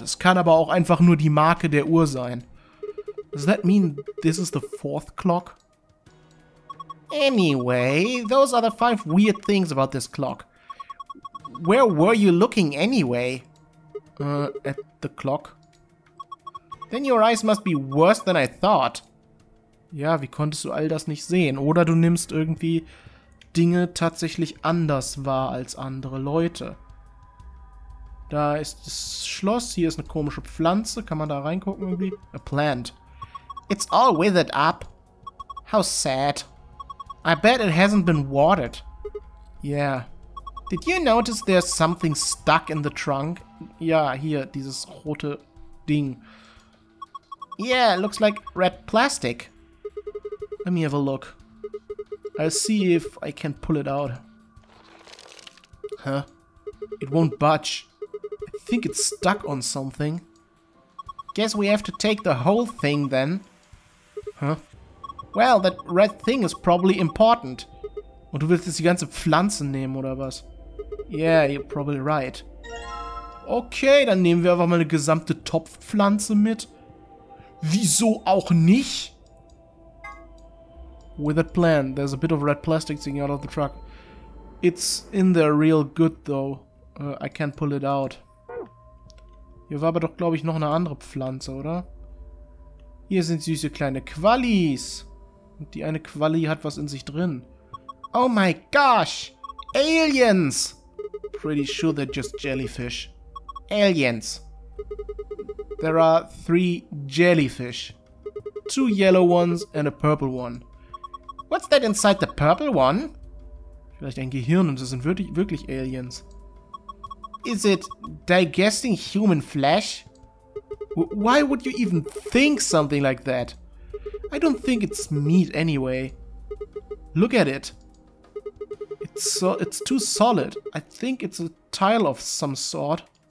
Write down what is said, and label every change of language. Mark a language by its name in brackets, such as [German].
[German] Es kann aber auch einfach nur die Marke der Uhr sein. [English] Does that mean this is the 4th clock? Anyway, those are the 5 weird things about this clock. Where were you looking anyway? At the clock. Then your eyes must be worse than I thought. [German] ja, wie konntest du all das nicht sehen? Oder du nimmst irgendwie Dinge tatsächlich anders wahr als andere Leute. Da ist das Schloss, hier ist eine komische Pflanze, kann man da reingucken irgendwie? [English] A plant. It's all withered up. How sad. I bet it hasn't been watered. Yeah. Did you notice there's something stuck in the trunk? [German] Ja, hier, dieses rote Ding. [English] Yeah, looks like red plastic. Let me have a look. I'll see if I can pull it out. Huh? It won't budge. I think it's stuck on something. Guess we have to take the whole thing then. Huh? Well, that red thing is probably important. [German] Und du willst jetzt die ganze Pflanze nehmen, oder was? [English] Yeah, you're probably right. [German] Okay, dann nehmen wir einfach mal eine gesamte Topfpflanze mit. Wieso auch nicht? [English] With that plan, there's a bit of red plastic sticking out of the truck. It's in there real good, though. I can't pull it out. [German] Hier war aber doch, glaube ich, noch eine andere Pflanze, oder? Hier sind süße kleine Qualis. Und die eine Quali hat was in sich drin. [English] Oh my gosh! Aliens! Pretty sure they're just jellyfish. Aliens. There are three jellyfish. Two yellow ones and a purple one. What's that inside the purple one? [German] Vielleicht ein Gehirn und es sind wirklich Aliens. [English] Is it digesting human flesh? Why would you even think something like that? I don't think it's meat anyway. Look at it. It's too solid. I think it's a tile of some sort.